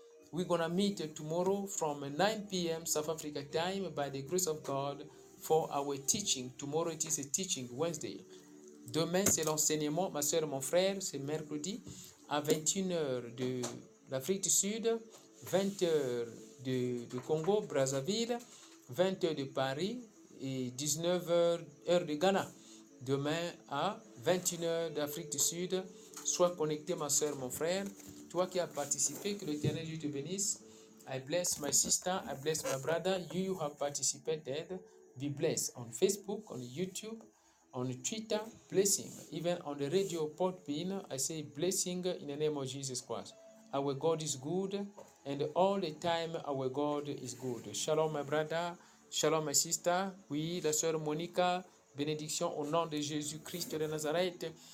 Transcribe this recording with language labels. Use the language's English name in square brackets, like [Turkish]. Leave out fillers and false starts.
[English] We're going to meet tomorrow from 9 p.m. South Africa time by the grace of God for our teaching. Tomorrow it is a teaching Wednesday. [French] Demain, c'est l'enseignement, ma soeur, mon frère. C'est mercredi à 21h de l'Afrique du Sud, 20h du Congo, Brazzaville, 20h de Paris et 19h heure de Ghana. Demain à 21h d'Afrique du Sud, sois connecté, ma soeur, mon frère. Toi qui as participé, que l'Éternel Dieu te bénisse. [English] I bless my sister, I bless my brother. You have participated. Be blessed on Facebook, on YouTube, on Twitter. Blessing. Even on the radio Podbean, I say blessing in the name of Jesus Christ. Our God is good, and all the time our God is good. Shalom, my brother. Shalom, my sister. [French] Oui, la sœur Monica. Bénédiction au nom de Jésus-Christ de Nazareth.